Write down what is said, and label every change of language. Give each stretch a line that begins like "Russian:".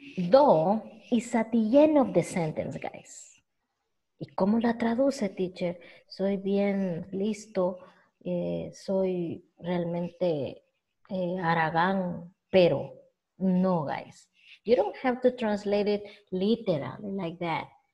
English: Though is at the end of the sentence, guys.
Spanish: ¿Y cómo la traduce, teacher? Soy bien listo, soy realmente haragán, pero no, guys.
English: You don't have to translate it literally like that.